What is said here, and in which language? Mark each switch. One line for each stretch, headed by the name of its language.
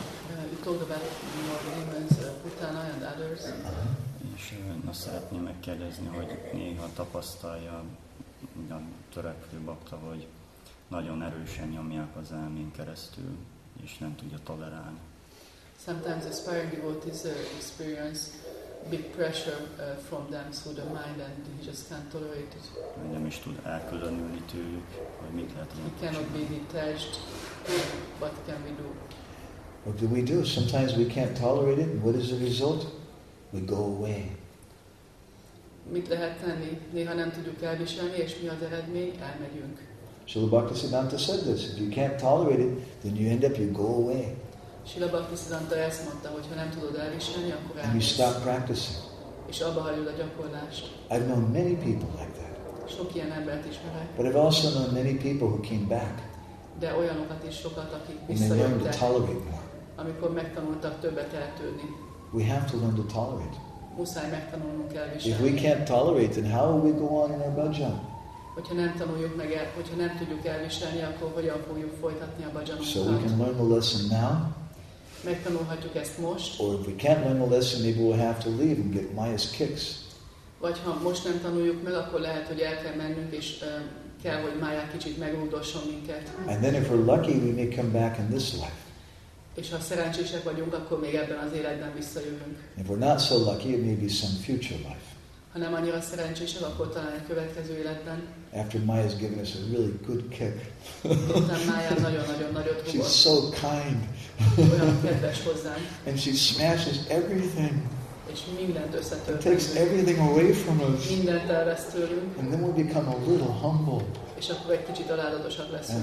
English: You talked about demons, puttana and others.
Hungarian: És na, szeretném megkérdezni, hogy néha tapasztalja a törekvő bakta, hogy nagyon erősen nyomják az elmén keresztül, és nem tudja tolerálni.
English: Sometimes aspiring devotees experience big pressure from them through the mind and he just can't tolerate it.
Hungarian: Nem is tud elkülönülni tőlük, hogy mit lehet csinálni.
English: He cannot be detached. What can we do? What do we do? Sometimes we can't tolerate it. What is the result? We go away.
Hungarian: Mit lehet tenni? Néha nem tudjuk elviselni, és mi az eredmény? Elmegyünk.
English: Srila Bhaktisiddhanta said this. If you can't tolerate it, then you end up, you go away.
Hungarian: Srila Bhaktisiddhanta ezt mondta, hogy ha nem tudod elviselni, akkor elmész.
English: You stop practicing.
Hungarian: És abba hagyod a gyakorlást.
English: I've known many people like that.
Hungarian: Sok ilyen embert ismerek.
English: But I've also known many people who came back.
Hungarian: De olyanokat is sokat, akik visszajöttek.
English: To tolerate more.
Hungarian: Amikor megtanultak többet eltűrni.
English: We have to learn to tolerate.
Hungarian: muszáj megtanulnunk elviselni.
English: If we can't tolerate, then how will we go on in our bhajan?
Hungarian: Hogyha nem tanuljuk meg, hogyha nem tudjuk elviselni, akkor hogyan fogjuk folytatni a bhajanunkat?
English: So we can learn the lesson now.
Hungarian: Megtanulhatjuk ezt most.
English: Or if we can't learn the lesson, maybe we'll have to leave and get Maya's kicks.
Hungarian: Vagy ha most nem tanuljuk meg, akkor lehet, hogy el kell mennünk, és kell, hogy Maya kicsit megoldosson minket.
English: And then if we're lucky, we may come back in this life.
Hungarian: És ha szerencsések vagyunk, akkor még ebben az életben visszajövünk.
English: If we're not so lucky, it may be some future life.
Hungarian: Ha nem annyira szerencsések, akkor talán egy következő életben.
English: After Maya's given us a really good kick.
Hungarian: Utána Maya nagyon-nagyon-nagyon húgott.
English: She's so kind.
Hungarian: Olyan kedves hozzánk.
English: And she smashes everything.
Hungarian: És mindent összetörtünk.
English: It takes everything away from us.
Hungarian: Mindent elvesz tőlünk.
English: And then we'll become a little humble.
Hungarian: És akkor egy kicsit aláldatosabb leszünk.